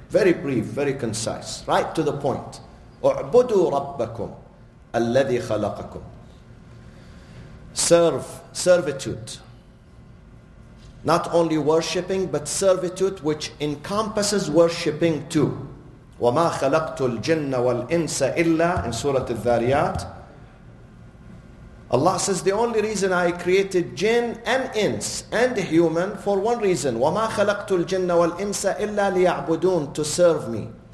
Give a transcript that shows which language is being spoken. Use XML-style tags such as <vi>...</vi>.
<en>Very brief, very concise, right to the point.</en> <ar>U'budu rabbakum alladhi khalaqakum.</ar> <en>Servitude. Not only worshipping, but servitude which encompasses worshipping too.</en> <ar>وَمَا خَلَقْتُ الْجِنَّ وَالْإِنسَ إِلَّا</ar> <en>in Surah Al-Dhariyat. Allah says, the only reason I created jinn and ins and human for one reason.</en> <ar>وَمَا خَلَقْتُ الْجِنَّ وَالْإِنسَ إِلَّا لِيَعْبُدُونَ</ar> <en>to serve me.</en>